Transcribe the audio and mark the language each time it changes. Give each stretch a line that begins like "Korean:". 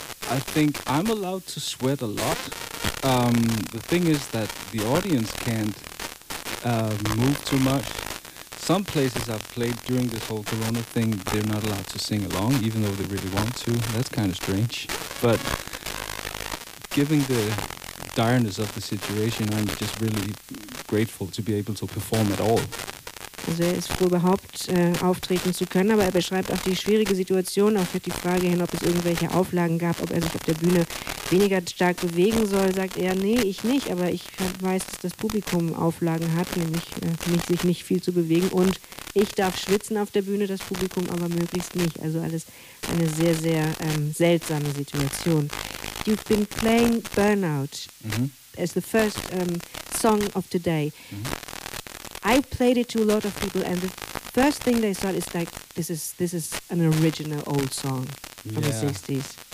English: I think I'm allowed to sweat a lot. The thing is that the audience can't move too much. Some places I've played during this whole Corona thing, they're not allowed to sing along, even though they really want to. That's kind of strange. But given the direness of the situation, I'm just really grateful to be able to perform at all.
German: Also er ist froh, überhaupt auftreten zu können, aber er beschreibt auch die schwierige Situation, auch für die Frage hin, ob es irgendwelche Auflagen gab, ob er sich auf der Bühne weniger stark bewegen soll, sagt er, nee, ich nicht, aber ich weiß, dass das Publikum Auflagen hat, nämlich sich nicht viel zu bewegen und ich darf schwitzen auf der Bühne, das Publikum aber möglichst nicht. Also alles eine sehr, sehr seltsame Situation.
English: You've been playing Burnout as the first song of today. I played it to a lot of people, and the first thing they thought is like, this is an original old song from the 60s.